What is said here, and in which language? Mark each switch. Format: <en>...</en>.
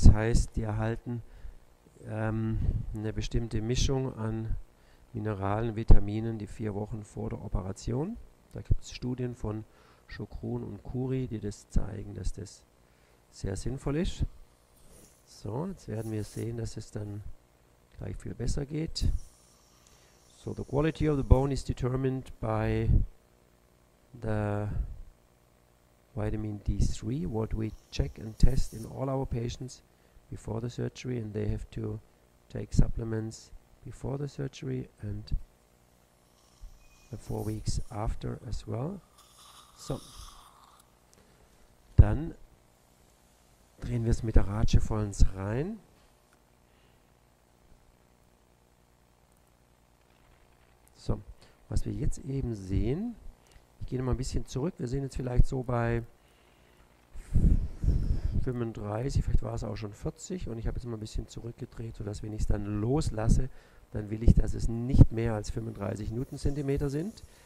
<de>Das heißt, die erhalten eine bestimmte Mischung an Mineralen, Vitaminen, die 4 Wochen vor der Operation. Da gibt es Studien von Chokrun und Kuri, die das zeigen, dass das sehr sinnvoll ist. So, jetzt werden wir sehen, dass es dann gleich viel besser geht.</de> <en>So, the quality of the bone is determined by the Vitamin D3, what we check and test in all our patients before the surgery, and they have to take supplements before the surgery and the 4 weeks after as well.</en> <de>So, dann drehen wir es mit der Ratsche vollends rein. So, was wir jetzt eben sehen, ich gehe noch mal ein bisschen zurück, wir sehen jetzt vielleicht so bei 35, vielleicht war es auch schon 40 und ich habe jetzt mal ein bisschen zurückgedreht, sodass wenn ich es dann loslasse, dann will ich, dass es nicht mehr als 35 Newton-Zentimeter sind.</de>